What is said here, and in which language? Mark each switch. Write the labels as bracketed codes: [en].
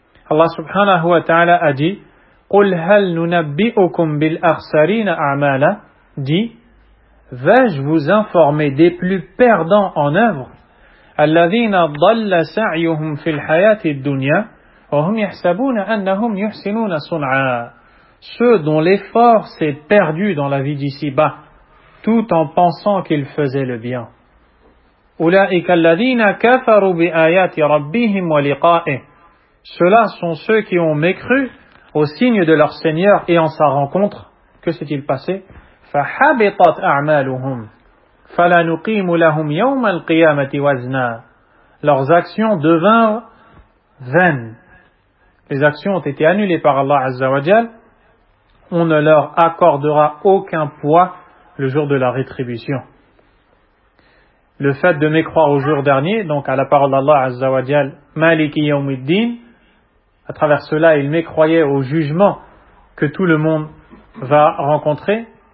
[fr] Allah subhanahu wa ta'ala a dit, [ar] قُلْ هَلْ نُنَبِّئُكُمْ بِالْأَخْسَرِينَ أَعْمَالًا, [fr] dit, vais-je vous informer des plus perdants en œuvre, [ar] الَّذِينَ ضَلَّ سَعْيُهُمْ فِي الْحَيَاةِ الدُّنْيَا وَهُمْ يَحْسَبُونَ أَنَّهُمْ يُحْسِنُونَ صُنْعًا, [fr] ceux dont l'effort s'est perdu dans la vie d'ici-bas, tout en pensant qu'ils faisaient le bien. [ar] أُولَئِكَ الَّذِينَ كَفَرُوا بِآيَاتِ رَبِّهِمْ وَلِقَائِهِ, [fr] ceux-là sont ceux qui ont mécru au signe de leur Seigneur et en sa rencontre. Que s'est-il passé? [ar] فَحَبِطَتْ أَعْمَالُهُمْ فَلَنُقِيمُ لَهُمْ يَوْمَ الْقِيَامَةِ وَزْنًا, [fr] leurs actions devinrent vaines. Les actions ont été annulées par Allah Azza wa Jal. On ne leur accordera aucun poids le jour de la rétribution. Le fait de mécroire au jour dernier, donc à la parole d'Allah Azza wa Jal, Maliki Yawmiddin, à travers cela, ils mécroyaient au jugement que tout le monde va rencontrer.